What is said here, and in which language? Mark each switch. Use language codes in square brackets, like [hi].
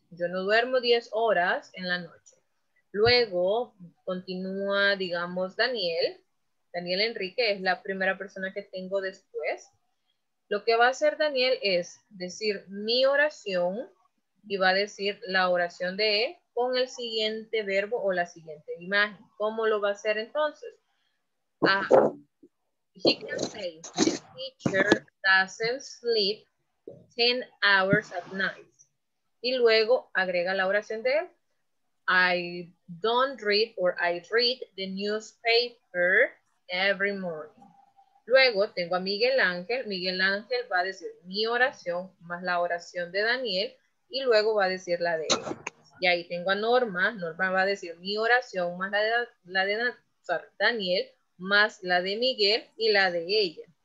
[es] Yo no duermo 10 horas en la noche. Luego, continúa, digamos, Daniel. Daniel Enrique es la primera persona que tengo después. Lo que va a hacer Daniel es decir mi oración y va a decir la oración de él con el siguiente verbo o la siguiente imagen. ¿Cómo lo va a hacer entonces? [en] He can say, the teacher doesn't sleep 10 hours at night. [es] Y luego agrega la oración de él. [en] I don't read or I read the newspaper every morning. [es] Luego tengo a Miguel Ángel. Miguel Ángel va a decir mi oración más la oración de Daniel. Y luego va a decir la de él. Y ahí tengo a Norma. Norma va a decir mi oración más la de Daniel más la de Miguel y la de ella.